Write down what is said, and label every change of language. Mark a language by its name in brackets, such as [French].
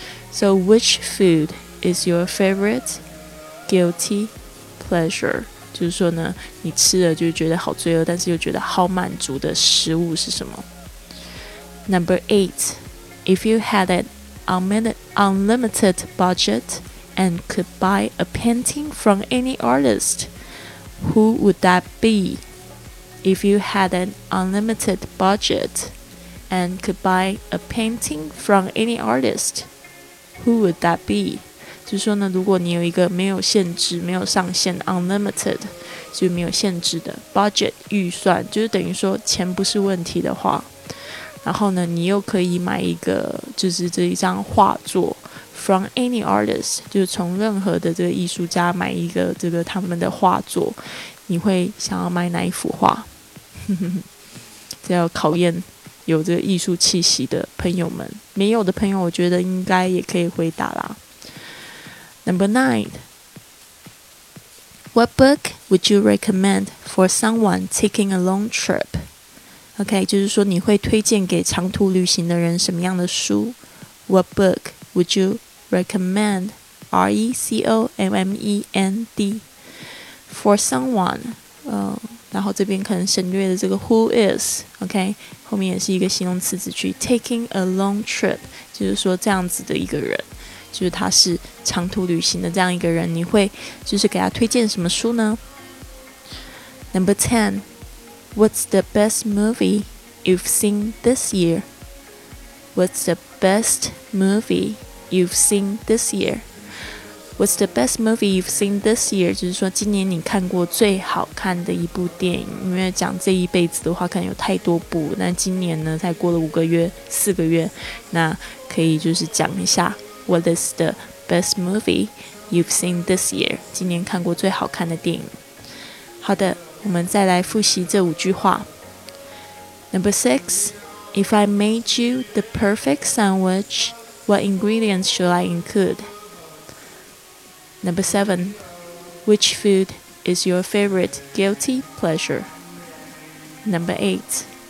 [English] So which food is your favorite guilty pleasure? [Chinese] 就是说呢你吃了就觉得好罪恶，但是又觉得好满足的食物是什么。 [English] Number 8 If you had an unlimited budget and could buy a painting from any artist, who would that be? If you had an unlimited budget and could buy a painting from any artist, who would that be? [Chinese] 就是说呢，如果你有一个没有限制、没有上限 （unlimited） 就没有限制的 budget 预算，就是等于说钱不是问题的话，然后呢，你又可以买一个，就是这一张画作 [English] from any artist， [Chinese] 就是从任何的这个艺术家买一个这个他们的画作，你会想要买哪一幅画？这要考验有这个艺术气息的朋友们，没有的朋友，我觉得应该也可以回答啦。 [English] Number 9 What book would you recommend for someone taking a long trip? [Chinese] OK, 就是说你会推荐给长途旅行的人什么样的书？ [English] What book would you recommend? [Chinese] R-E-C-O-M-M-E-N-D [English] For someone、 [Chinese] 然后这边可能省略的这个 [English] who is [Chinese] OK, 后面也是一个形容词子句 [English] Taking a long trip [Chinese] 就是说这样子的一个人，就是他是长途旅行的这样一个人，你会就是给他推荐什么书呢？ [English] Number 10 What's the best movie you've seen this year? What's the best movie you've seen this year? What's the best movie you've seen this year? [Chinese] 就是说今年你看过最好看的一部电影，因为讲这一辈子的话可能有太多部，那今年呢才过了4个月，那可以就是讲一下 [English] What is the best movie you've seen this year? [Chinese] 今年看过最好看的电影。好的，我们再来复习这五句话。 [English] Number 6 If I made you the perfect sandwich, what ingredients should I include? Number 7. Which food is your favorite guilty pleasure? Number 8.